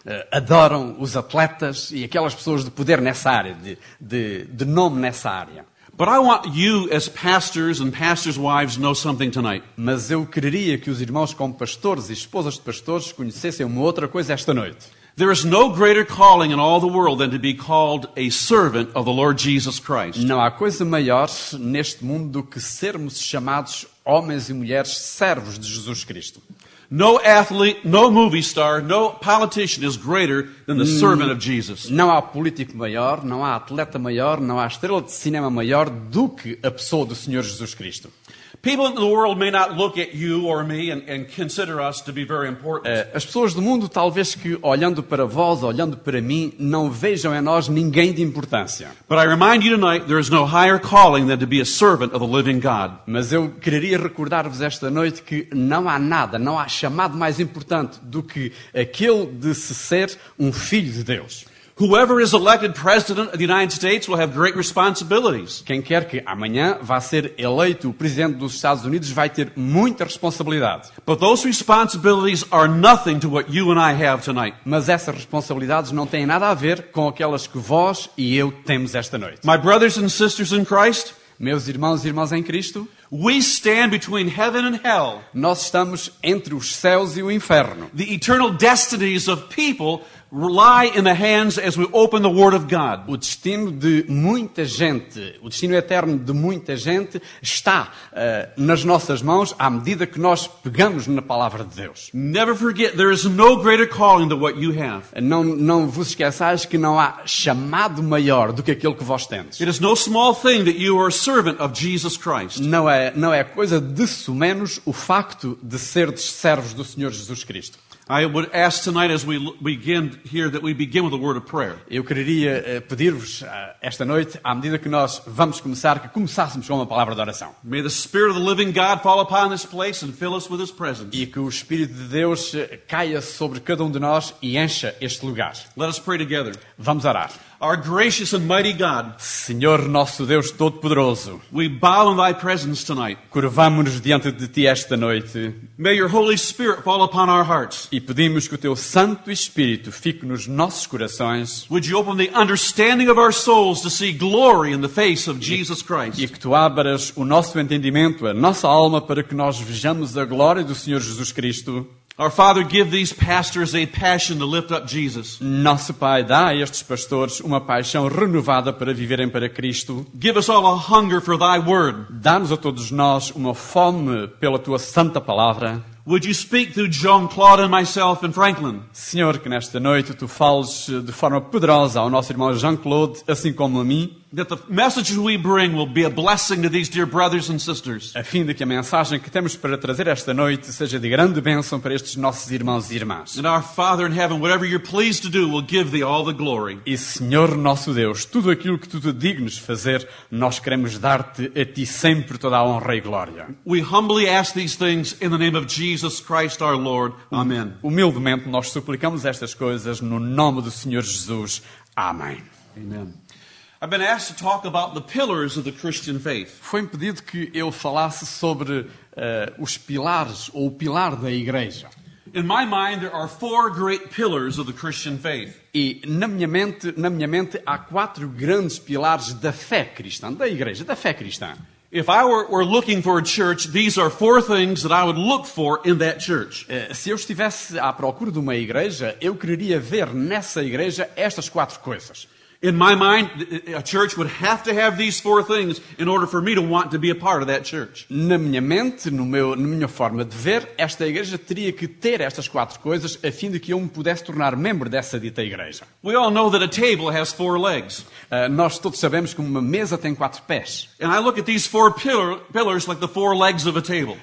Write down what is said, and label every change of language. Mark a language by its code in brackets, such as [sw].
[pt] Adoram os atletas e aquelas pessoas de poder nessa área, de nome nessa área. [en] But I want you as pastors and pastors' wives know something tonight. [pt] Mas eu queria que os irmãos como pastores e esposas de pastores conhecessem uma outra coisa esta noite. [en] There is no greater calling in all the world than to be called a servant of the Lord Jesus Christ. [pt] Não há coisa maior neste mundo do que sermos chamados homens e mulheres servos de Jesus Cristo. [en] No athlete, no movie star, no politician is greater than the servant of Jesus. [pt] Não há político maior, não há atleta maior, não há estrela de cinema maior do que a pessoa do Senhor Jesus Cristo. [en] People in the world may not look at you or me and consider us to be very important. [pt] As pessoas do mundo talvez que olhando para vós, olhando para mim, não vejam em nós ninguém de importância. [en] But I remind you tonight, there is no higher calling than to be a servant of the living God. [pt] Mas eu queria recordar-vos esta noite que não há nada, não há chamado mais importante do que aquele de se ser um filho de Deus. [en] Whoever is elected president of the United States will have great responsibilities. [pt] Quem quer que amanhã vá ser eleito o presidente dos Estados Unidos vai ter muita responsabilidade. [en] But those responsibilities are nothing to what you and I have tonight. [pt] Mas essas responsabilidades não têm nada a ver com aquelas que vós e eu temos esta noite. [en] My brothers and sisters in Christ, [pt] meus irmãos e irmãs em Cristo, [en] we stand between heaven and hell. [pt] Nós estamos entre os céus e o inferno. [en] The eternal destinies of people rely in the hands as we open the word of God. [pt] O destino de muita gente, o destino eterno de muita gente está nas nossas mãos à medida que nós pegamos na palavra de Deus. [en] Never forget there is no greater calling than what you have. [pt] Não vos esqueçais que não há chamado maior do que aquele que vós tendes. [en] It is no small thing that you are a servant of Jesus Christ. [pt] Não é coisa de sumenos o facto de serdes servos do Senhor Jesus Cristo. [en] I would ask tonight as we begin here that we begin with a word of prayer. [pt] Eu queria pedir-vos esta noite, à medida que nós vamos começar, que começássemos com uma palavra de oração. [en] May the Spirit of the living God fall upon this place and fill us with his presence. [pt] E que o Espírito de Deus caia sobre cada um de nós e encha este lugar. [en] Let us pray together. [pt] Vamos orar. [en] Our gracious and mighty God, [pt] Senhor nosso Deus Todo-Poderoso, [en] we bow in thy presence tonight. [pt] Curvamo-nos diante de ti esta noite. [en] May your Holy Spirit fall upon our hearts. [pt] E pedimos que o teu Santo Espírito fique nos nossos corações. [en] Would you open the understanding of our souls to see glory in the face of Jesus Christ. [pt] E que tu abras o nosso entendimento, a nossa alma, para que nós vejamos a glória do Senhor Jesus Cristo. [en] Our Father, give these pastors a passion to lift up Jesus. [pt] Nosso Pai, dá a estes pastores uma paixão renovada para viverem para Cristo. [en] Give us all a hunger for thy word. [pt] Dá-nos a todos nós uma fome pela tua santa palavra. [en] Would you speak through Jean-Claude and myself and Franklin? [pt] Senhor, que nesta noite tu fales de forma poderosa ao nosso irmão Jean-Claude, assim como a mim. [en] That the messages we bring will be a blessing to these dear brothers and sisters. [pt] A fim de que a mensagem que temos para trazer esta noite seja de grande bênção para estes nossos irmãos e irmãs. [en] And our Father in heaven, whatever you're pleased to do, will give thee all the glory. [pt] E Senhor nosso Deus, tudo aquilo que tu te dignes fazer, nós queremos dar-te a ti sempre toda a honra e glória. [en] We humbly ask these things in the name of Jesus Christ our Lord. Amen. [pt] Humildemente nós suplicamos estas coisas no nome do Senhor Jesus. Amém. [en] Amen. I've been asked to talk about the pillars of the Christian faith. [pt] Foi-me pedido que eu falasse sobre os pilares ou o pilar da igreja. [en] In my mind there are four great pillars of the Christian faith. [pt] E na minha mente há quatro grandes pilares da fé cristã, da igreja, da fé cristã. [en] If I were looking for a church, these are four things that I would look for in that church. [pt] Se eu estivesse à procura de uma igreja, eu queria ver nessa igreja estas quatro coisas. [en] In my mind, a church would have to have these four things in order for me to want to be a part of that church. [pt] Na minha mente, na minha forma de ver, esta igreja teria que ter estas quatro coisas a fim de que eu me pudesse tornar membro dessa dita igreja. [en] We all know that a table has four legs. [pt] Nós todos sabemos que uma mesa tem quatro pés. [en] And I look at these four pillars like the four legs of a table.